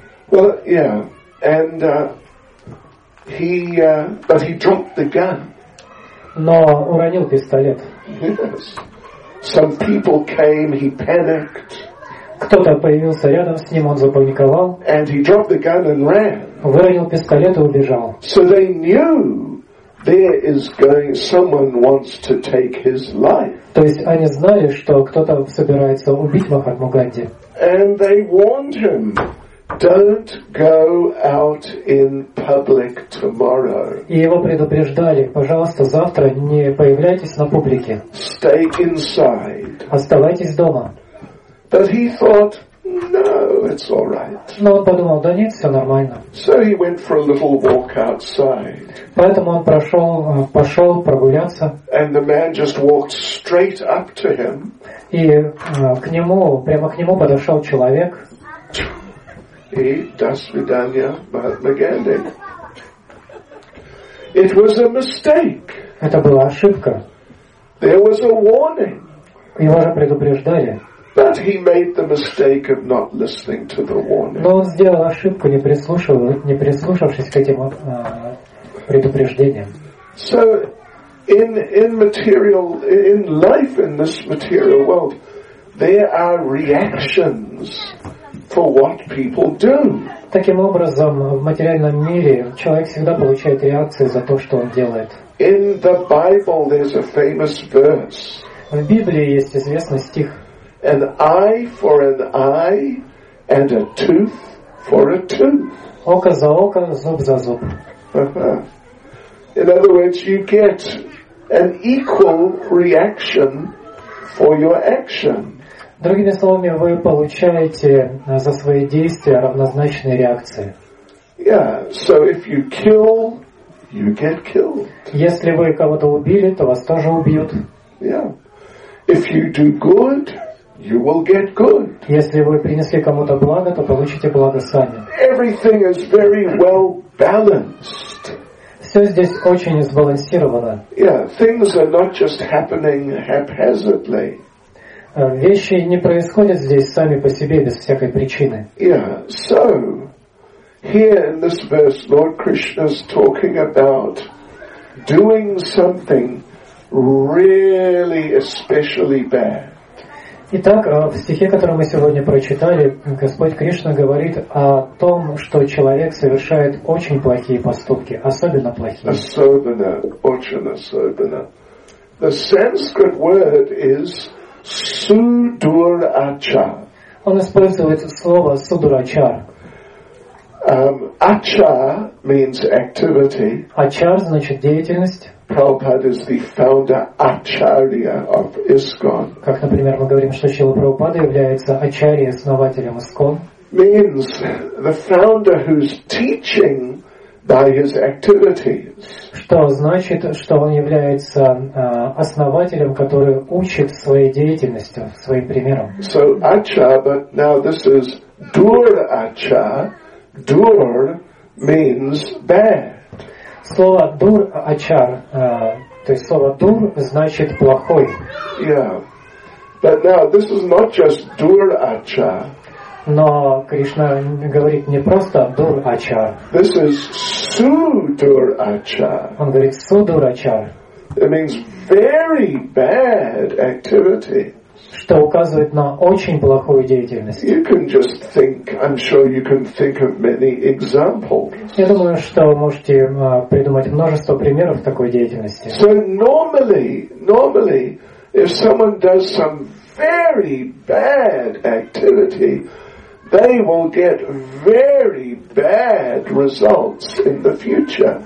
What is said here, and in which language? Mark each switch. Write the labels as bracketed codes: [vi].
[en] Well, yeah. And but he dropped the gun. [ru] Но уронил пистолет. [en] Yes. Some people came, he panicked. [ru] Кто-то появился рядом с ним, он запаниковал. [en] And he dropped the gun and ran. [ru] Выронил пистолет и убежал. [en] So they knew there is going, someone wants to take his life. [ru] То есть они знали, что кто-то собирается убить Махатму Ганди. [en] And they warned him, don't go out in public tomorrow. [ru] И его предупреждали, пожалуйста, завтра не появляйтесь на публике. [en] Stay inside. [ru] Оставайтесь дома. [en] But he thought, no, it's all right. [ru] Но он подумал, да нет, все нормально. [en] So he went for a little walk outside. [ru] Поэтому он пошел прогуляться. [en] And the man just walked straight up to him. [ru] И к нему, прямо к нему подошел человек. И до свидания, Махатма Ганди. [en] It was a mistake. [ru] Это была ошибка. [en] There was a warning. [ru] Его же предупреждали. [en] But he made the mistake of not listening to the warning. [ru] Но он сделал ошибку, не прислушавшись к этим предупреждениям. [en] So in life in this material world, there are reactions for what people do. [ru] Таким образом, в материальном мире человек всегда получает реакции за то, что он делает. [en] In the Bible there's a famous verse. [ru] В Библии есть известный стих. [en] An eye for an eye and a tooth for a tooth. [ru] Око за око, зуб за зуб. [en] In other words, you get an equal reaction for your action. [ru] Другими словами, вы получаете за свои действия равнозначные реакции. [en] Yeah, so if you kill, you get killed. [ru] Если вы кого-то убили, то вас тоже убьют. [en] Yeah. If you do good, you will get good. [ru] Если вы принесли кому-то благо, то получите благо сами. [en] Everything is very well balanced. [ru] Все здесь очень сбалансировано. [en] Yeah, things are not just happening haphazardly. [ru] Вещи не происходят здесь сами по себе без всякой причины. [en] Yeah, so here in this verse, Lord Krishna is talking about doing something really especially bad. [ru] Итак, в стихе, который мы сегодня прочитали, Господь Кришна говорит о том, что человек совершает очень плохие поступки, особенно плохие. Особенно, очень особенно. [en] The Sanskrit word is sudurācā. [ru] Он использует слово sudurācār. [en] Ācā means activity. [ru] Ācār значит деятельность. [en] Prabhupada is the founder Acharya of ISKCON. [ru] Как, например, мы говорим, что Шрила Прабхупада является Ачарьей, основателем ISKCON. [en] Means the founder who's teaching by his activities. [ru] Что значит, что он является основателем, который учит своей деятельностью, своим примером. [en] So Acha, but now this is Dur-Acha. Dur means bad. [ru] Слово «дур» – «ачар», то есть слово «дур» значит «плохой». [en] Yeah. But now, this is not just «дур-ачар». [ru] Но Кришна говорит не просто «дур-ачар». [en] This is «су-дур-ачар». [ru] Он говорит «су-дур-ачар». [en] It means very bad activity. [ru] Что указывает на очень плохую деятельность. [en] You can just think, I'm sure you can think of many examples. [ru] Я думаю, что вы можете придумать множество примеров такой деятельности. [en] So normally, if someone does some very bad activity, they will get very bad results in the future.